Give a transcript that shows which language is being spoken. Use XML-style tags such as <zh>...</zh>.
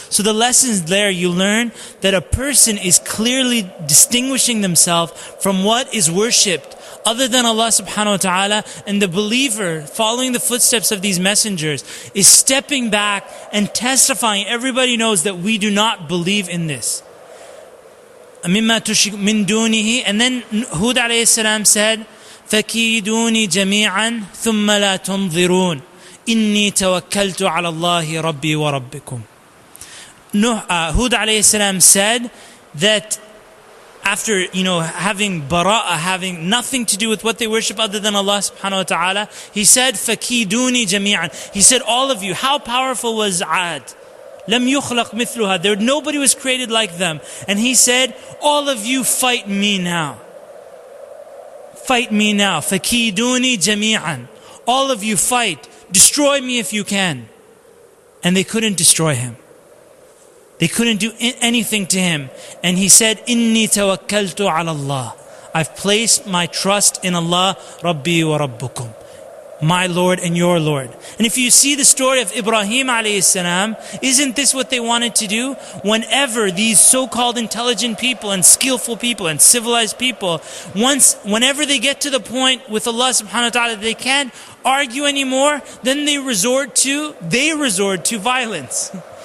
<en>So the lessons there, you learn that a person is clearly distinguishing themselves from what is worshipped other than Allah subhanahu wa ta'ala, and the believer following the footsteps of these messengers is stepping back and testifying. Everybody knows that we do not believe in this.</en> <ar>أَمِمَّا تُشْرِكُ مِن دُونِهِ.</ar> <en>And then Hud alayhi salam said,</en> <ar>فَكِيدُونِي جَمِيعًا ثُمَّ لَا تُنظِرُونَ إِنِّي تَوَكَّلْتُ عَلَى اللَّهِ رَبِّي وَرَبِّكُمْ.</ar> <en>Hud alayhi salam said that after, you know, having bara'ah, having nothing to do with what they worship other than Allah subhanahu wa ta'ala, he said,</en> <ar>فَكِيدُونِي جَمِيعًا.</ar> <en>He said, all of you, how powerful was Ad?</en> <ar>لَمْ يُخْلَقْ مِثْلُهَا.</ar> <en>There, nobody was created like them. And he said, all of you fight me now. Fight me now.</en> <ar>فَكِيدُونِي جَمِيعًا.</ar> <en>All of you fight. Destroy me if you can. And they couldn't destroy him. They couldn't do anything to him. And he said,</en> <ar>إِنِّي تَوَكَّلْتُ عَلَى اللَّهِ.</ar> <en>I've placed my trust in Allah,</en> <ar>رَبِّي وَرَبُّكُمْ.</ar> <en>My Lord and your Lord. And if you see the story of Ibrahim alayhi salam, isn't this what they wanted to do? Whenever these so-called intelligent people and skillful people and civilized people, whenever they get to the point with Allah subhanahu wa ta'ala that they can't argue anymore, then they resort to violence.</en>